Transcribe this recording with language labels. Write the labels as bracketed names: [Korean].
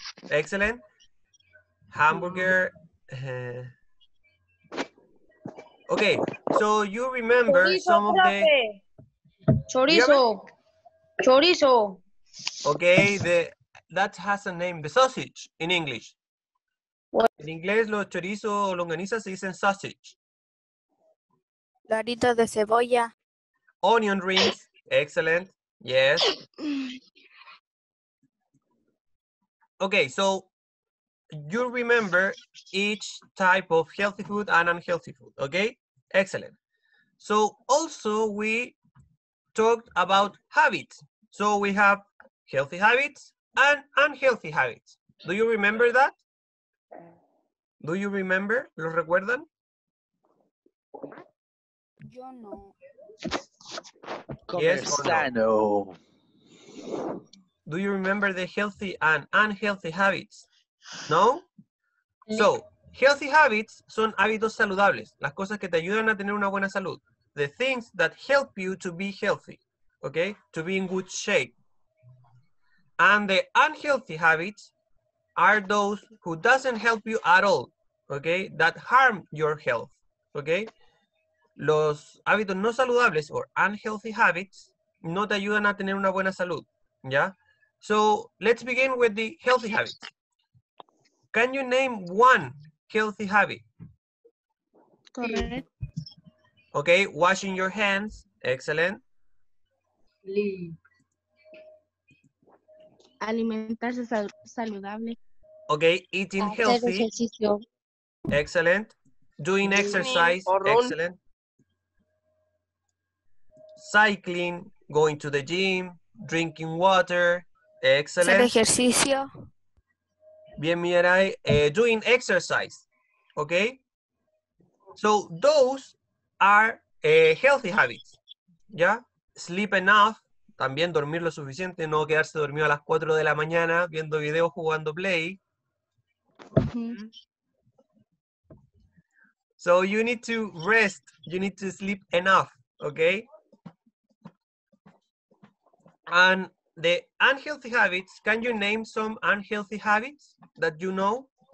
[English] Excellent. Hamburger. Okay, so you remember [Spanish] chorizo, [English] some of the... [Spanish] Chorizo. Chorizo. [English] Okay, that has a name, the sausage in English. What? [Spanish] In inglés, los chorizo o longaniza se dicen sausage. Laritos de cebolla. [English] Onion rings. Excellent. Yes. Okay, so you remember each type of healthy food and unhealthy food, okay? Excellent. So also we talked about habits. So we have healthy habits and unhealthy habits. Do you remember that? Do you remember? [Spanish] ¿Lo recuerdan? Yo no. [English] Yes or no? Do you remember the healthy and unhealthy habits? No? So, healthy habits [Spanish] son hábitos saludables, las cosas que te ayudan a tener una buena salud. [English] The things that help you to be healthy, okay? To be in good shape. And the unhealthy habits are those who doesn't help you at all, okay? That harm your health, okay? [Spanish] Los hábitos no saludables [English] or unhealthy habits [Spanish] no te ayudan a tener una buena salud, ¿ya? [English] So, let's begin with the healthy habits. Can you name one healthy habit? Correct. Okay, washing your hands. Excellent. Sleep. [Spanish] Alimentarse saludable. [English] Okay, eating [Spanish] hacer [English] healthy. [Spanish] Ejercicio. [English] Excellent. Doing exercise. Excellent. Cycling, going to the gym, drinking water, excellent. [Spanish] Hacer ejercicio. [English] Bien, Mirai, doing exercise, okay? So those are healthy habits, [Spanish] ¿ya? [English] Sleep enough, [Spanish] también dormir lo suficiente, no quedarse dormido a las 4 de la mañana viendo videos, jugando Play. Mm-hmm. [English] So you need to rest, you need to sleep enough, okay? And the unhealthy habits, can you name some unhealthy habits that you know?